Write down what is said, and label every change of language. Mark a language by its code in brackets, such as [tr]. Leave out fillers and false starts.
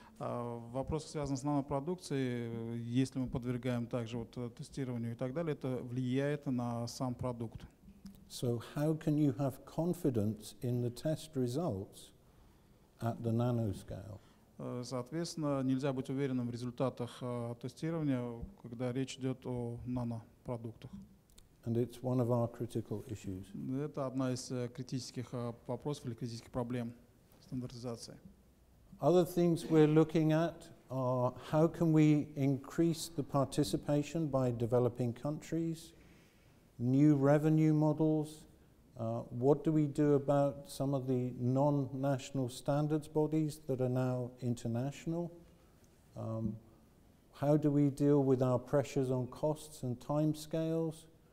[ru] Вопрос связан с нанопродукцией. Если мы подвергаем также вот тестированию и так далее, это влияет на сам продукт. [en] So how can you have confidence in the test results at the nanoscale? [ru] Соответственно, нельзя быть уверенным в результатах тестирования, когда речь идет о нанопродуктах. [en] And it's one of our critical issues. [ru] Это одна из критических вопросов или критических проблем стандартизации. [en] Other things we're looking at are how can we increase the participation by developing countries, new revenue models, what do we do about some of the non-national standards bodies that are now international, how do we deal with our pressures on costs and timescales?